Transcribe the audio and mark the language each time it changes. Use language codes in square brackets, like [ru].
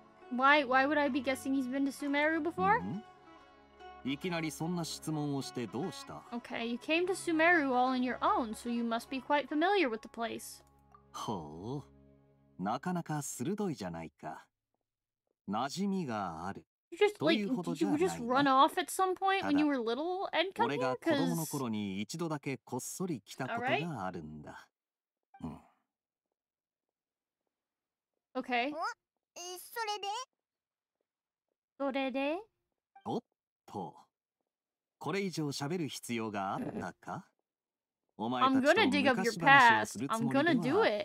[en] Why would I be guessing he's been to Sumeru before? Mm-hmm. [ja] いきなりそんな質問をしてどうした? [en] Okay, you came to Sumeru all on your own, so you must be quite familiar with the place. [ja] ほう、なかなか鋭いじゃないか。馴染みがある。 [en] You just, like, did you just run off at some point when you were little and come here? [ja] 俺が子供の頃に一度だけこっそり来たことがあるんだ。 [en] Okay. [ja] それで? それで? おっと。これ以上喋る必要があったか?お前たちと昔話をするつもりではあったが。